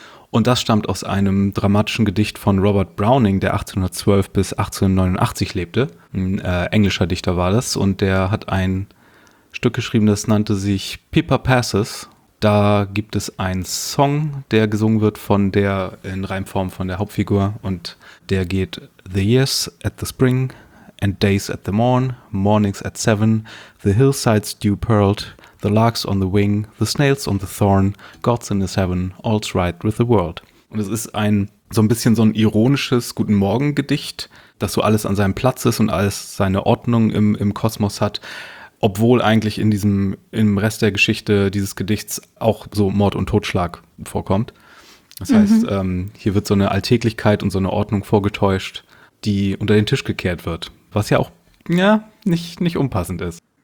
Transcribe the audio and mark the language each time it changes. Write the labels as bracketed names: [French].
[German] Und das stammt aus einem dramatischen Gedicht von Robert Browning, der 1812 bis 1889 lebte. Ein englischer Dichter war das. Und der hat ein Stück geschrieben, das nannte sich Pippa Passes. Da gibt es einen Song, der gesungen wird von der in Reimform von der Hauptfigur. Und der geht: [English] The years at the spring and days at the morn, mornings at seven, the hillsides dew pearled, the larks on the wing, the snails on the thorn, God's in his heaven, all's right with the world. [German] Und es ist ein so ein bisschen so ein ironisches Guten Morgen-Gedicht, dass so alles an seinem Platz ist und alles seine Ordnung im Kosmos hat, obwohl eigentlich im Rest der Geschichte dieses Gedichts auch so Mord und Totschlag vorkommt. Das heißt, hier wird so eine Alltäglichkeit und so eine Ordnung vorgetäuscht, die unter den Tisch gekehrt wird, was ja auch nicht unpassend ist.